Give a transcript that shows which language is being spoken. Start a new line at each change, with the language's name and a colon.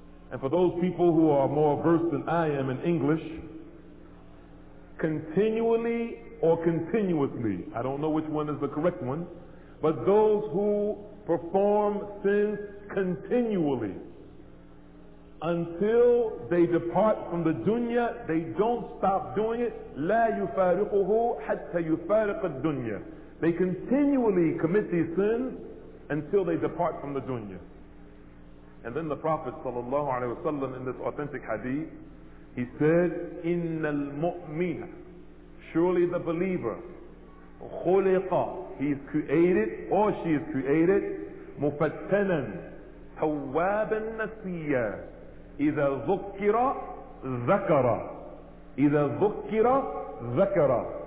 English: And for those people who are more versed than I am in English, continually or continuously, I don't know which one is the correct one, but those who perform sins continually until they depart from the dunya, they don't stop doing it.
Arabic: لا يفارقه حتى يفارق الدنيا.
English: They continually commit these sins until they depart from the dunya. And then the Prophet sallallahu alaihi wasallam in this authentic hadith, he said,
Arabic: إن المؤمن,
English: surely the believer, خلق, he is created or she is created,
Arabic: مفتنا توابا نسيا إذا ذكر ذكر
English: إذا ذكر ذكر.